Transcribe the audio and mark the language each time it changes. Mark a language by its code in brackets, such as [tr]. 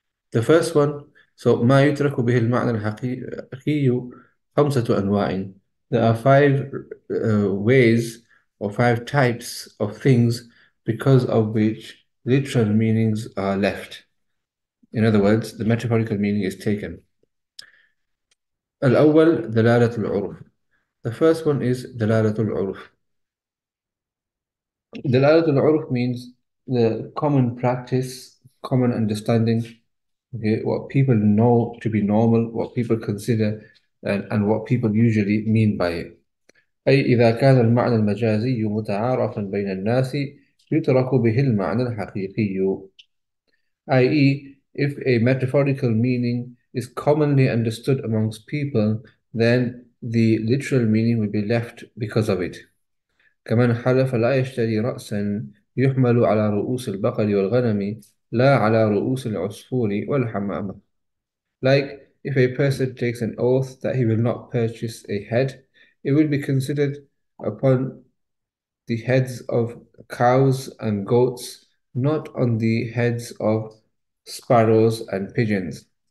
[en] The first one, so [ar] ما يترك به المعنى الحقيقي خمسة أنواع. [en] There are five ways or five types of things because of which literal meanings are left. In other words, the metaphorical meaning is taken. [ar] الأول دلالة العرف. [en] The first one is [ar] دلالة العرف. [en] دلالة العرف means the common practice, common understanding, okay, what people know to be normal, what people consider, and what people usually mean by it. [ar] أي إذا كان المعنى المجازي متعارفا بين الناس يترك به المعنى الحقيقي. [en] i.e. if a metaphorical meaning is commonly understood amongst people, then the literal meaning will be left because of it. [ar] كمن حلف لا يشتري رأسا يحمل على رؤوس البقر والغنم لا على رؤوس العصفور والحمامة. [en] Like if a person takes an oath that he will not purchase a head, it will be considered upon the heads of cows and goats, not on the heads of sparrows and pigeons.